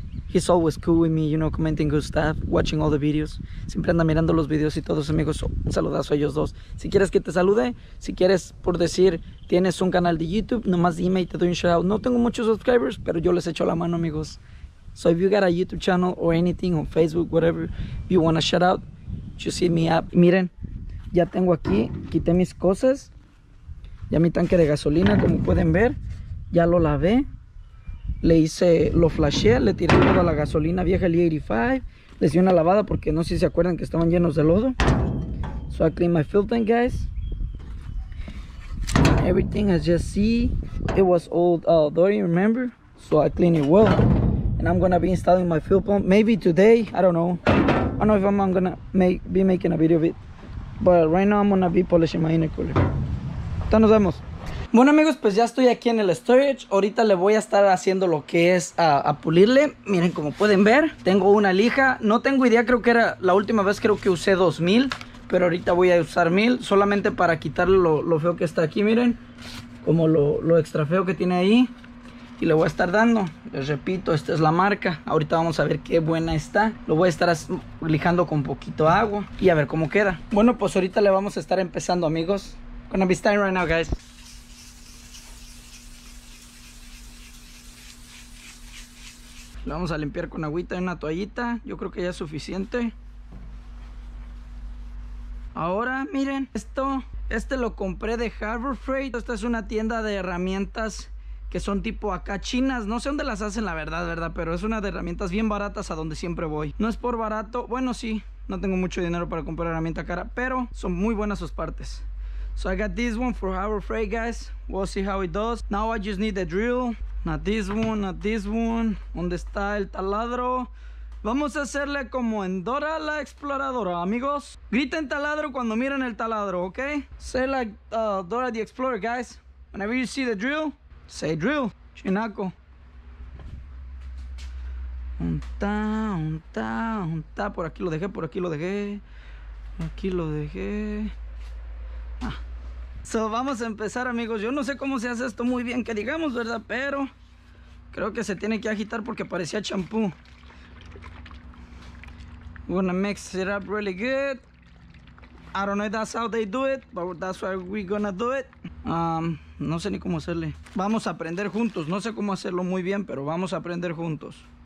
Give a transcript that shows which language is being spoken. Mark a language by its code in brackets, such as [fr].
[en] He's always cool with me, you know, commenting good stuff, watching all the videos. [es] Siempre anda mirando los videos y todos, amigos. Un saludazo a ellos dos. Si quieres que te salude, si quieres, por decir, tienes un canal de YouTube, nomás dime y te doy un shout out. No tengo muchos subscribers, pero yo les echo la mano, amigos. [en] So if you got a YouTube channel or anything, on Facebook, whatever, if you want a shout out, just hit me up. [es] Miren, ya tengo aquí, quité mis cosas. Ya mi tanque de gasolina, como pueden ver, ya lo lavé. Le hice, lo flashé, le tiré toda la gasolina vieja, el 85. Les di una lavada porque no sé si se acuerdan que estaban llenos de lodo. [en] So I cleaned my fuel tank, guys. Everything, as you see, it was old, dirty, remember? So I cleaned it well. And I'm gonna be installing my fuel pump. Maybe today, I don't know if I'm gonna be making a video of it. But right now I'm gonna be polishing my intercooler. [es] Hasta nos vemos. Bueno, amigos, pues ya estoy aquí en el storage. Ahorita le voy a estar haciendo lo que es a pulirle. Miren, como pueden ver, tengo una lija. No tengo idea, creo que era la última vez, creo que usé 2000. Pero ahorita voy a usar 1000. Solamente para quitarle lo feo que está aquí, miren. Como lo extra feo que tiene ahí. Y le voy a estar dando. Les repito, esta es la marca. Ahorita vamos a ver qué buena está. Lo voy a estar lijando con poquito agua. Y a ver cómo queda. Bueno, pues ahorita le vamos a estar empezando, amigos. [en] Gonna be starting right now, guys. [es] Lo vamos a limpiar con agüita y una toallita. Yo creo que ya es suficiente. Ahora, miren, esto. Este lo compré de Harbor Freight. Esta es una tienda de herramientas que son tipo acá chinas. No sé dónde las hacen, la verdad, ¿verdad? Pero es una de herramientas bien baratas a donde siempre voy. No es por barato. Bueno, sí, no tengo mucho dinero para comprar herramienta cara, pero son muy buenas sus partes. [en] So I got this one for Harbor Freight, guys. We'll see how it does. Now I just need the drill. Not this one. [es] ¿Dónde está el taladro? Vamos a hacerle como en Dora la Exploradora, amigos. Griten taladro cuando miren el taladro, ¿ok? [en] Say like Dora the Explorer, guys. Whenever you see the drill, say drill. Chinaco. [es] Un ta. Por aquí lo dejé. Ah. So, vamos a empezar, amigos. Yo no sé cómo se hace esto muy bien que digamos, ¿verdad? Pero creo que se tiene que agitar porque parecía champú. [en] Gonna mix it up really good. I don't know if that's how they do it, but that's why we're gonna do it. [es] No sé ni cómo hacerle. Vamos a aprender juntos. No sé cómo hacerlo muy bien, pero vamos a aprender juntos.